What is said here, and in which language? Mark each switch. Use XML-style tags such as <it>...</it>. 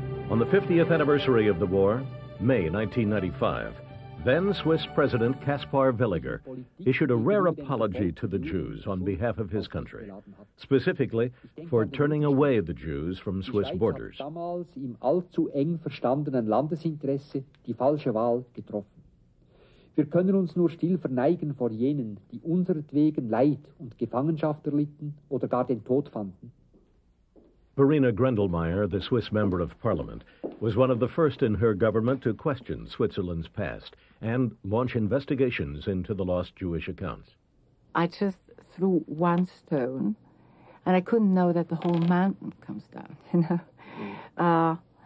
<en>On the 50th anniversary of the war, May 1995, then-Swiss President Caspar Villiger issued a rare apology to the Jews on behalf of his country, specifically for turning away the Jews from Swiss borders.</en> <de>Damals im allzu eng verstandenen Landesinteresse die falsche Wahl getroffen. Wir können uns nur still verneigen vor jenen, die unseretwegen Leid und Gefangenschaft erlitten oder gar den Tod fanden.</de> <en>Verena Grendelmeier, the Swiss Member of Parliament, was one of the first in her government to question Switzerland's past and launch investigations into the lost Jewish accounts. I just threw one stone, and I couldn't know that the whole mountain comes down, you know.</en>